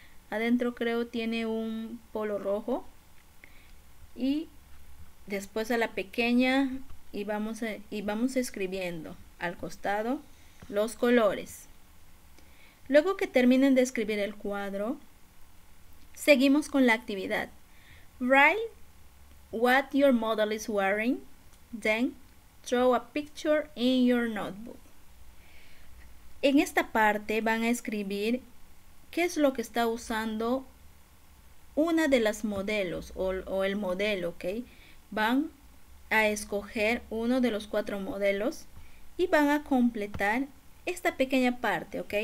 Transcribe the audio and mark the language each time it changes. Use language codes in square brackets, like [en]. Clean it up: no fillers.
[es] Adentro creo tiene un polo rojo. Y después a la pequeña y vamos escribiendo al costado los colores. Luego que terminen de escribir el cuadro, seguimos con la actividad. [en] Write what your model is wearing, then draw a picture in your notebook. [es] En esta parte van a escribir qué es lo que está usando una de las modelos o el modelo, ¿ok? Van a escoger uno de los cuatro modelos y van a completar esta pequeña parte, ¿ok?